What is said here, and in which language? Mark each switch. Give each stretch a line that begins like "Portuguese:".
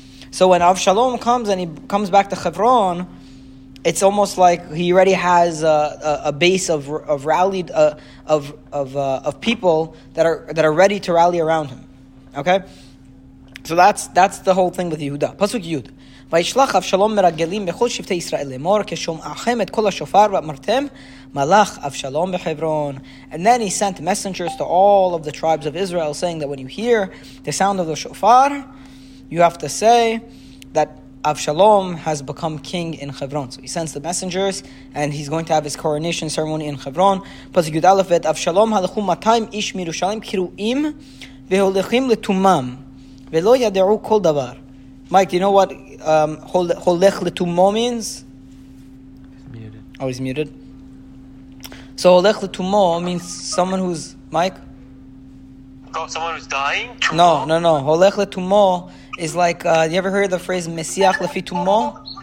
English: So when Avshalom comes and he comes back to Hebron, it's almost like he already has a base of people that are ready to rally around him. Okay, so that's the whole thing with Yehuda. Pasuk Yud.
Hebrew: וישלח אבשלום מרגלים בכל שבטי ישראל למור כשומעכם את כל השופר ואמרתם מלך אבשלום בחברון.
English: And then he sent messengers to all of the tribes of Israel saying that when you hear the sound of the shofar, you have to say that Avshalom has become king in Hebron. So he sends the messengers and he's going to have his coronation ceremony in Hebron.
Hebrew: פסוק י"א, אבשלום הלכו 200 איש מירושלים קרואים והולכים לתומם ולא ידעו כל דבר.
English: Mike, do you know what
Hebrew: "holech letumo"
English: means? He's muted. So
Hebrew: "holech letumo"
English: means someone who's Mike. Someone who's dying. No.
Hebrew: "Holech letumo"
English: is like you ever heard the phrase
Hebrew: "mesiach lefi tumo"?